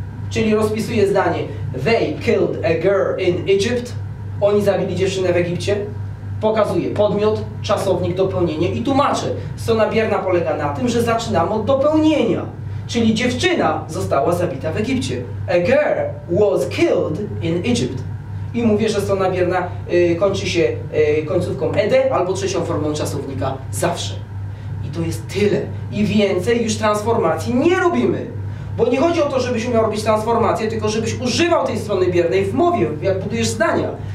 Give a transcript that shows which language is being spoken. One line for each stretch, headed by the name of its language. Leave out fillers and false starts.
Polish: Czyli rozpisuję zdanie:
English: they killed a girl in Egypt.
Polish: Oni zabili dziewczynę w Egipcie. Pokazuję podmiot, czasownik, dopełnienie i tłumaczę. Strona bierna polega na tym, że zaczynam od dopełnienia. Czyli dziewczyna została zabita w Egipcie.
English: A girl was killed in Egypt.
Polish: I mówię, że strona bierna kończy się końcówką ed albo trzecią formą czasownika zawsze. I to jest tyle. I więcej już transformacji nie robimy. Bo nie chodzi o to, żebyś umiał robić transformację, tylko żebyś używał tej strony biernej w mowie, jak budujesz zdania.